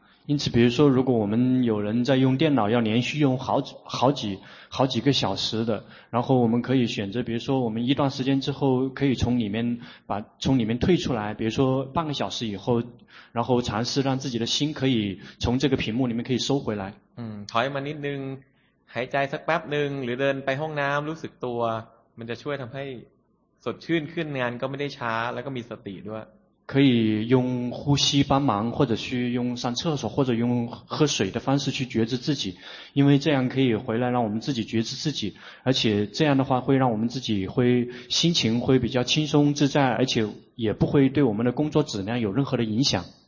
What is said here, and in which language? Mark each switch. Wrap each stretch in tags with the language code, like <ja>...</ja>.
<zh>因此比如说如果我们有人在用电脑要连续用好几个小时的然后我们可以选择比如说我们一段时间之后可以从里面退出来比如说半个小时以后然后尝试让自己的心可以从这个屏幕里面可以收回来</zh> <th>ถอยมานิดนึงหายใจสักแป๊บนึงหรือเดินไปห้องน้ำรู้สึกตัวมันจะช่วยทำให้สดชื่นขึ้นงานก็ไม่ได้ช้าแล้วก็มีสติด้วย</th> <zh>可以用呼吸帮忙或者去用上厕所或者用喝水的方式去觉知自己因为这样可以回来让我们自己觉知自己而且这样的话会让我们自己会心情会比较轻松自在而且也不会对我们的工作质量有任何的影响</zh>